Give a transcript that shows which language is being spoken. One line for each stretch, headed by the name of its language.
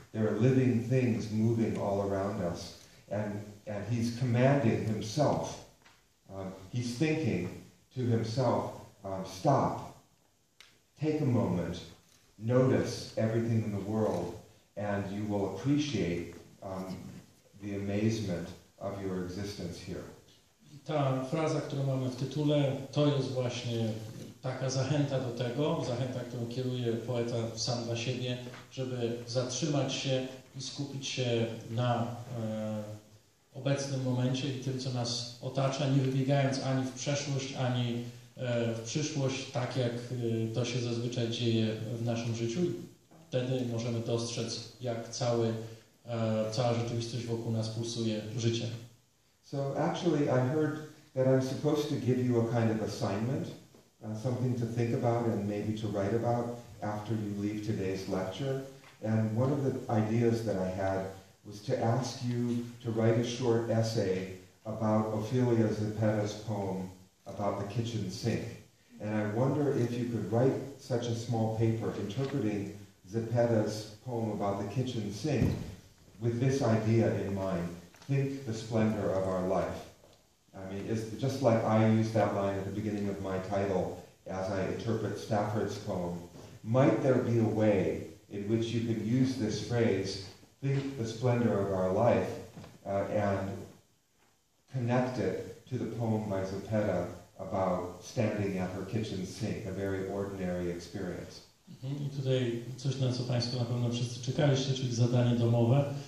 English: There are living things moving all around us, and he's commanding himself. He's thinking to himself, stop, take a moment, notice everything in the world, and you will appreciate the amazement of your existence here.
Polish: Ta fraza, którą mamy w tytule, to jest właśnie taka zachęta do tego, zachęta, którą kieruje poeta sam dla siebie, żeby zatrzymać się i skupić się na obecnym momencie i tym, co nas otacza, nie wybiegając ani w przeszłość, ani w przyszłość, tak jak to się zazwyczaj dzieje w naszym życiu. Wtedy możemy dostrzec, jak cała rzeczywistość wokół nas pulsuje życiem.
English: So actually I heard that I'm supposed to give you a kind of assignment, something to think about and maybe to write about after you leave today's lecture. And one of the ideas that I had was to ask you to write a short essay about Ofelia Zepeda's poem about the kitchen sink. And I wonder if you could write such a small paper interpreting Zepeda's poem about the kitchen sink with this idea in mind, think the splendor of our life. I mean, it's just like I used that line at the beginning of my title as I interpret Stafford's poem. Might there be a way in which you could use this phrase, think the splendor of our life, and connect it to the poem by Zepeda about standing at her kitchen sink, a very ordinary experience.
Polish: I tutaj coś, na co Państwo na pewno wszyscy czekaliście, czyli zadanie domowe.